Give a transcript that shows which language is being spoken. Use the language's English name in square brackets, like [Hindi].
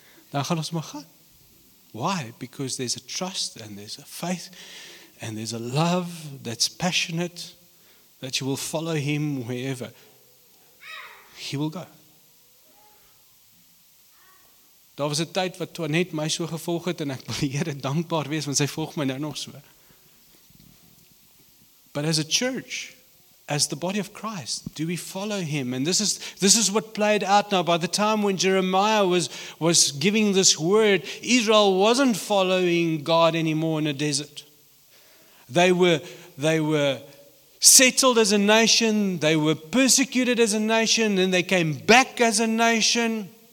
[Afrikaans] Dan gaan ons maar gaan. [English] Why? Because there's a trust, and there's a faith, and there's a love that's passionate, that you will follow him wherever. He will go. [Afrikaans] Daar was 'n tyd wat Toinette my so gevolg het en ek wil die Here dankbaar wees want sy volg my nou nog so. [English] But as a church, as the body of Christ, do we follow him? And this is what played out now. By the time when Jeremiah was giving this word, Israel wasn't following God anymore in a desert. They were settled as a nation, they were persecuted as a nation, then they came back as a nation.